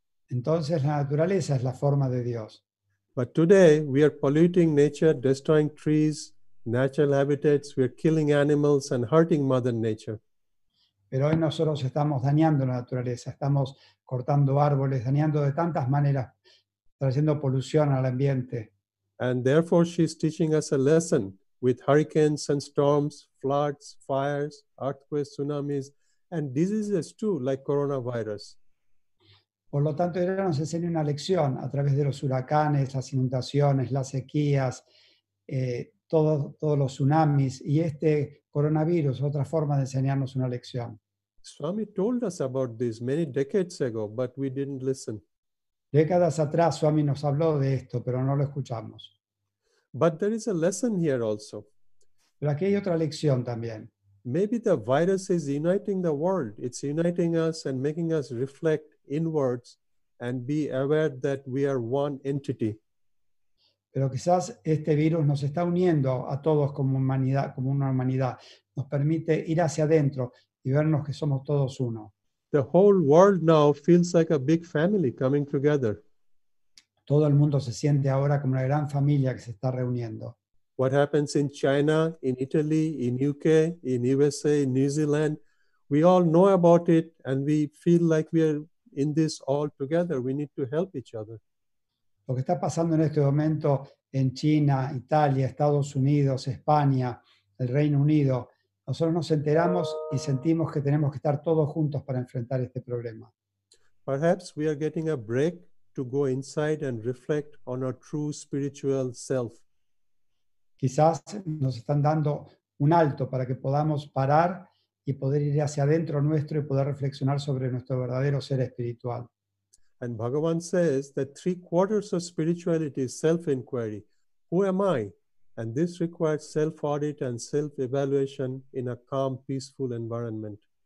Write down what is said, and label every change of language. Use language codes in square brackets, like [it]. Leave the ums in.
[es] Entonces la naturaleza es la forma de Dios. [en] But today we are polluting nature, destroying trees, natural habitats, we are killing animals and hurting Mother Nature. [es] Pero hoy nosotros estamos dañando la naturaleza, estamos cortando árboles, dañando de tantas maneras, trayendo polución al ambiente. [en] And therefore, she's teaching us a lesson with hurricanes and storms, floods, fires, earthquakes, tsunamis, and diseases too, like coronavirus. [es] Por lo tanto, ella nos enseña una lección a través de los huracanes, las inundaciones, las sequías, eh, todo- todos los tsunamis y este coronavirus, otra forma de enseñarnos una lección. [en] Swami told us about this many decades ago, but we didn't listen. [es] Décadas atrás, Swami nos habló de esto, pero no lo escuchamos. [en] But there is a lesson here also. [es] Pero aquí hay otra lección también. [en] Maybe the virus is uniting the world. It's uniting us and making us reflect inwards and be aware that we are one entity. [es] pero quizás este virus nos está uniendo a todos como humanidad, como una humanidad, nos permite ir hacia adentro y vernos que somos todos uno. [en] The whole world now feels like a big family coming together. [es] Todo el mundo se siente ahora como una gran familia que se está reuniendo. [en] what happens in China, in Italy, in UK, in USA, in New Zealand. We all know about it and we feel like we are in this all together. We need to help each other. [es] Lo que está pasando en este momento en China, Italia, Estados Unidos, España, el Reino Unido, nosotros nos enteramos y sentimos que tenemos que estar todos juntos para enfrentar este problema. [en] Perhaps we are getting a break to go inside and reflect on our true spiritual self. [es] Quizás nos están dando un alto para que podamos parar y poder ir hacia adentro nuestro y poder reflexionar sobre nuestro verdadero ser espiritual. [en] And Bhagavan says that three quarters of spirituality is self inquiry. Who am I? And this requires self audit and self evaluation in a calm, peaceful environment.